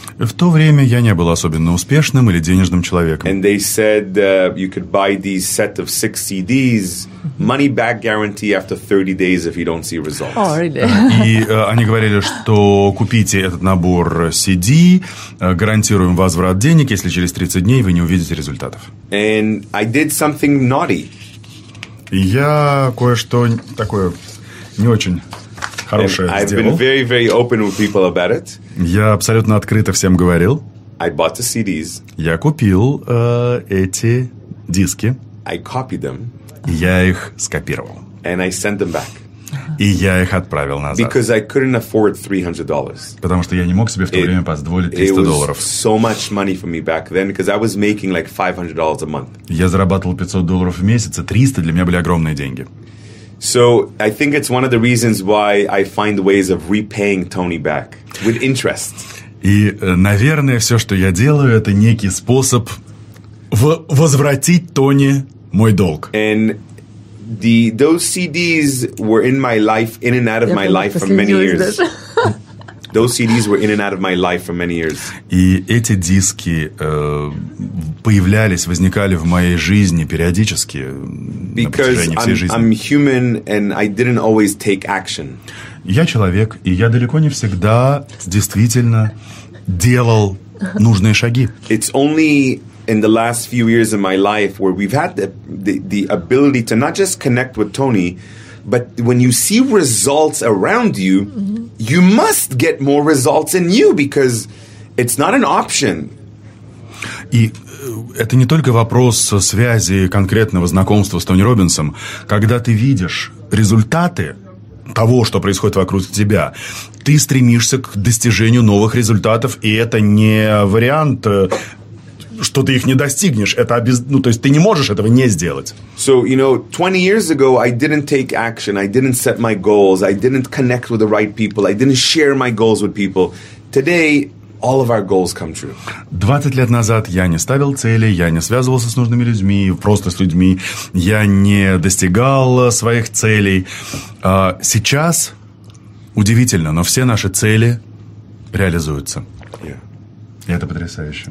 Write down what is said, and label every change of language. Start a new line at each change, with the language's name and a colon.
Russian: В то время я не был особенно успешным или денежным человеком.
English: And they said you could buy these set of 6 CDs, money back guarantee after 30 days if you don't see results. Oh, really?
Russian: И они говорили, что купите этот набор CD, гарантируем возврат денег, если через 30 дней вы не увидите результатов.
English: And I did something naughty.
Russian: Я кое-что такое не очень...
English: I've been very, very open with people about it.
Russian: Я абсолютно открыто всем говорил.
English: I bought the CDs.
Russian: Я купил эти диски.
English: I copied them.
Russian: Я их скопировал.
English: And I sent them back.
Russian: И я их отправил назад.
English: Because I couldn't afford $300.
Russian: Потому что я не мог себе в то время позволить $300.
English: It was so much money for me back then, because I was making like $500 a month.
Russian: Я зарабатывал $500 в месяц, и 300 для меня были огромные деньги.
English: So I think it's one of the reasons why I find ways of repaying Tony back with interest.
Russian: И, наверное, все, что я делаю, это некий способ возвратить Тони мой долг.
English: And those CDs were in my life, in and out of my life for many years. Those CDs were in and out of my life for many years.
Russian: И эти диски появлялись, возникали в моей жизни периодически на протяжении всей жизни.
English: Because I'm human and I didn't always take action.
Russian: Я человек, и я далеко не всегда действительно делал нужные шаги.
English: It's only in the last few years of my life where we've had the ability to not just connect with Tony, but when you see results around you, you must get more results in you, because it's not an option.
Russian: И это не только вопрос связи конкретного знакомства с Тони Робинсом. Когда ты видишь результаты того, что происходит вокруг тебя, ты стремишься к достижению новых результатов, и это не вариант, что ты их не достигнешь. Это ну, то есть ты не можешь этого не сделать.
English: So, you know, 20 years ago I didn't take action, I didn't set my goals, I didn't connect with the right people, I didn't share my goals with people. Today all of our goals come true.
Russian: 20 лет назад я не ставил цели, я не связывался с нужными людьми, просто с людьми, я не достигал своих целей. Сейчас удивительно, но все наши цели реализуются. И это потрясающе.